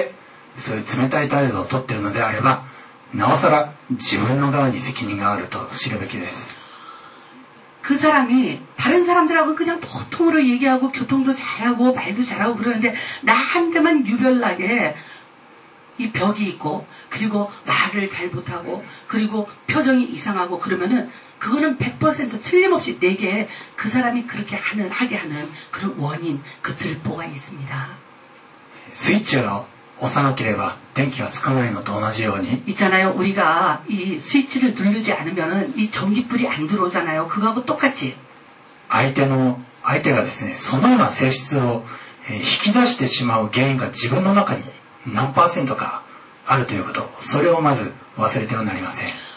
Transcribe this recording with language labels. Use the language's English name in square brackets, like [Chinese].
[Japanese] その人が10人か10人全てにですね、冷たい態度を取ってるわけではなく、自分にだけそういう冷たい態度を取ってるのであれば、 나오서라 지분노가니 세키니가 아르토 시르베키데스. [Korean] 그 사람이 다른 사람들하고 그냥 보통으로 얘기하고 교통도 잘하고 말도 잘하고 그러는데 나한테만 유별나게 이 벽이 있고 그리고 말을 잘 못하고 그리고 표정이 이상하고 그러면은 그거는 100% 틀림없이 내게 그 사람이 그렇게 하는 하게 하는 그런 원인 그 들보가 있습니다. 스위치로 [Japanese] 押さなければ電気がつかないのと同じように、 [Korean] 있잖아요우리가이스위치를누르지않으면이전기불이안들어오잖아요그거하고똑같이 [Japanese] 相手がですね、そのような性質を引き出してしまう原因が自分の中に何パーセントかあるということ、それをまず忘れてはなりません。